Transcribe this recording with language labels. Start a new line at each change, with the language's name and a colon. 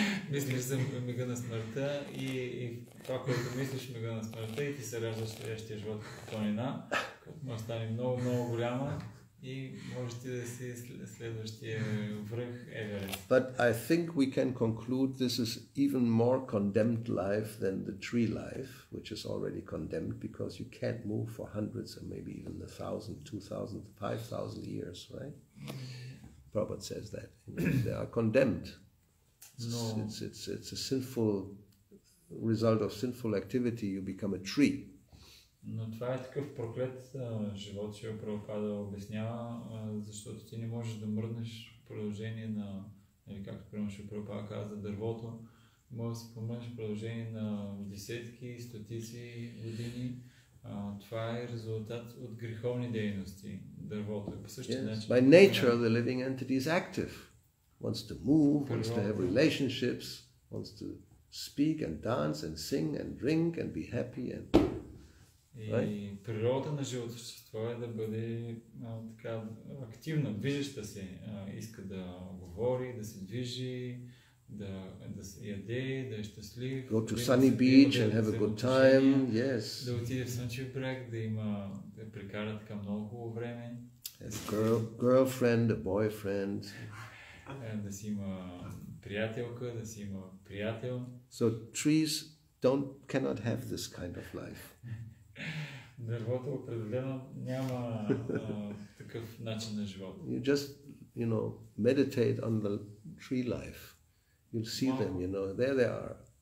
Bulgarian: Мислиш за мига на смъртта и това, което мислиш мига на смъртта и ти се раждаш следващия живот в планина, може стане много, много голяма и можеш ти да си следващия връх Еверест.
English: But I think we can conclude this is even more condemned life than the tree life, which is already condemned because you can't move for hundreds or maybe even 1,000, 2,000, 5,000 years, right? Prabhupada says that. They are condemned. It's a sinful result of sinful activity. You become a tree.
Bulgarian: Но това е такъв проклет живот, че Прабхупада обяснява, защото ти не можеш да мръднеш в продължение на, или както примерно Прабхупада каза, дървото, можеш да се помръднеш в продължение на десетки, стотици години. Това е резултат от греховни дейности, дървото е по същия начин.
English: By nature, the living entity is active, wants to move, wants to have relationships, wants to speak and dance and sing and drink and be happy and... Right?
Bulgarian: И природа на живото същество е да бъде така активна, движеща се. Иска да говори, да се движи, да се яде, да е щастлив.
English: Go to sunny beach and have a good time, yes.
Bulgarian: Да отиде в слънчев бряг, да има, да прекара така много хубаво време.
English: As a girlfriend, a boyfriend.
Bulgarian: Да си има приятелка, да си има приятел.
English: So trees cannot have this kind of life.
Bulgarian: Дървото определено няма такъв начин на живот.
English: You just, you know, meditate on the tree life. You'll see them, you know, there they are.